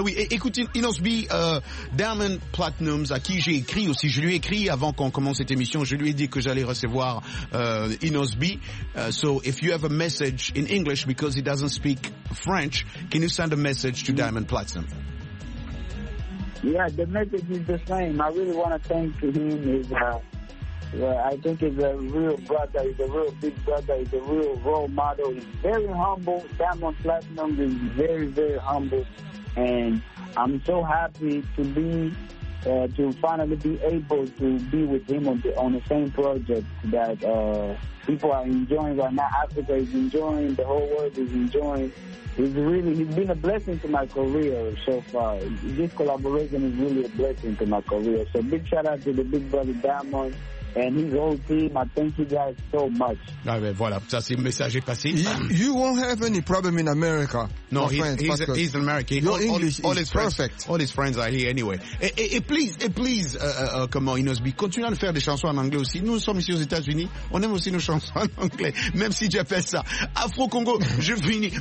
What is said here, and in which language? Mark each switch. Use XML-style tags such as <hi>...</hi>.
<fr>Écoutez, Inos B, Diamond Platinums, à qui j'ai écrit aussi, je lui ai écrit avant qu'on commence cette émission, je lui ai dit que j'allais recevoir Inos B.</fr> <en>So if you have a message in English because he doesn't speak French, can you send a message to Diamond Platinum? Yeah, the message is the same. I really want to thank him. I think he's a real brother. He's a real big brother. He's a real role model. He's very humble. Diamond Platinum is very, very humble. And I'm so happy to be, to finally be able to be with him on the same project that people are enjoying right now. Africa is enjoying. The whole world is enjoying. He's been a blessing to my career so far. This collaboration is really a blessing to my career. So big shout out to the big brother Diamond and his whole team. I thank you guys so much.</en> <fr>Ah, ben voilà, ça c'est le message est passé.</fr> <en>You won't have any problem in America. No, he's an American. Your English all is perfect. Friends, all his friends are here anyway.</en> <fr>Et please, comment Inos B, continue à le faire des chansons en anglais aussi. Nous sommes ici aux États-Unis, on aime aussi nos chansons en anglais, même si j'appelle ça Afro-Congo, je finis.</fr>